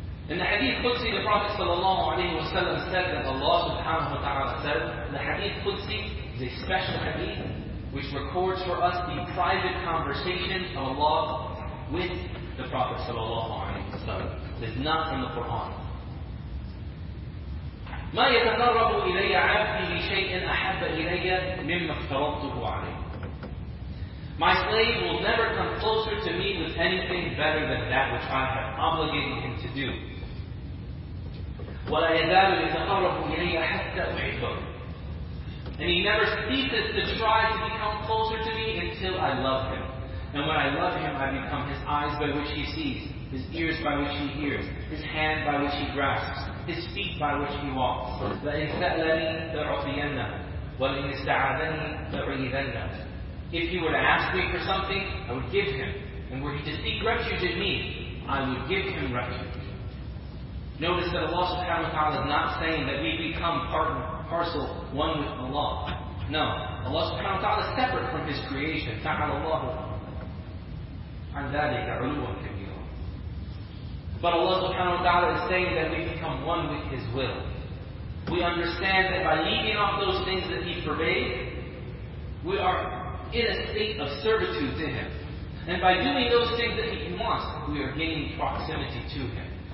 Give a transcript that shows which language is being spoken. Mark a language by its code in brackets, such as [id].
[en] In the hadith Qudsi, the Prophet sallallahu alayhi wa sallam said that Allah subhanahu wa ta'ala said, the hadith Qudsi is a special hadith which records for us the private conversation of Allah with the Prophet sallallahu alayhi wa sallam. It's not in the Quran. [ar] ما يتقرب إلي عبدي بشيء أحب إلي مما افترضته عليه. [en] My slave will never come closer to me with anything better than that which I have obligated him to do. [ar] ولا يزال يتقرب إلي حتى أحبه. [en] And he never ceases to try to become closer to me until I love him. And when I love him, I become his eyes by which he sees, his ears by which he hears, his hand by which he grasps, his feet by which he walks. [ar] لَإِنْ سَأْلَنِي لَعُطِيَنَّ وَلَإِنْ اسْتَعَذَنِي لَعُيِّذَنَّ. [en] If he were to ask me for something, I would give him. And were he to seek refuge in me, I would give him refuge. Notice that Allah subhanahu wa ta'ala is not saying that we become part and parcel, one with Allah. No. Allah subhanahu wa ta'ala is separate from his creation. [ar] تَعَالَ اللَّهُ عَنْ ذَلِكَ عُلُوًا كَبِيرًا. [en] But Allah subhanahu wa ta'ala is saying that we become one with his will. We understand that by leaving off those things that he forbade, we are in a state of servitude to him. And by doing those things that he wants, we are gaining proximity to him.